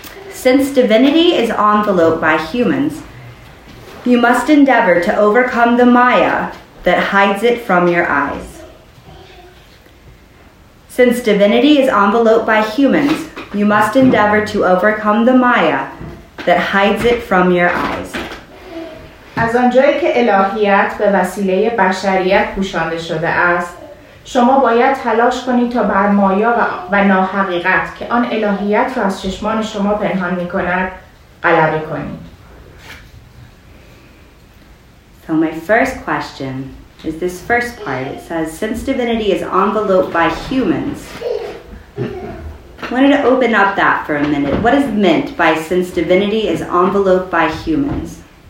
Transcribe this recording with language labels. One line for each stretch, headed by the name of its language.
English: Since divinity is enveloped by humans, you must endeavor to overcome the Maya that hides it from your eyes. Since divinity is enveloped by humans, you must endeavor to overcome the Maya that hides it from your eyes.
Persian: از آنجایی که الهیت به وسیله بشریت پوشانده شده است، شما باید تلاش کنید تا بر مایا و ناحقیقت که آن الهیت را از چشمان شما پنهان می کند غلبه کنید.
English: So my first question is this first part. It says, since divinity is enveloped by humans, I wanted to open up that for a minute. What is meant by since divinity is enveloped by humans?